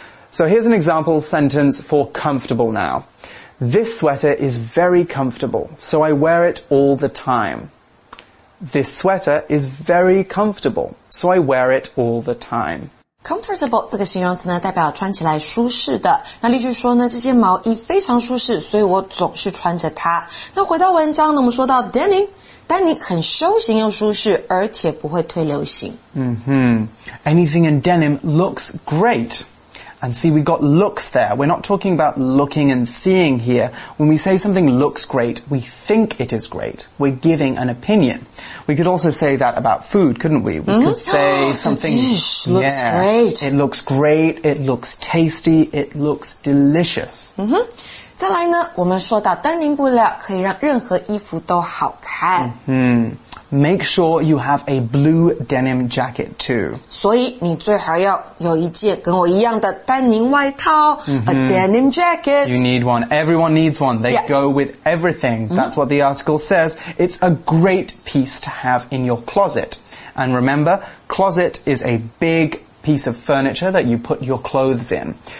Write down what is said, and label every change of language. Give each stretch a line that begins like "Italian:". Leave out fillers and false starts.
English: So here's an example sentence for comfortable now. This sweater is very comfortable, so I wear it all the time. This sweater is very comfortable, so I wear it all the time.
Chinese: Comfortable 这个形容词呢代表穿起来舒适的。那例句说呢这件毛衣非常舒适所以我总是穿着它。那回到文章呢我们说到 denim, 丹宁很休闲又舒适而且不会退流行。
English: Mm-hmm. Anything in denim looks great. And see, we got looks there. We're not talking about looking and seeing here. When we say something looks great, we think it is great. We're giving an opinion. We could also say that about food, couldn't we? We could say something... The dish looks great. It looks great, it looks tasty, it looks delicious.
Chinese: 再来呢,我们说到丹宁布料可以让任何衣服都好看。
English: Make sure you have a blue denim jacket too.
Chinese: 所以你最好要有一件跟我一样的丹宁外套
English: a denim jacket. You need one. Everyone needs one. They go with everything. That's what the article says. It's a great piece to have in your closet. And remember, closet is a big piece of furniture that you put your clothes in.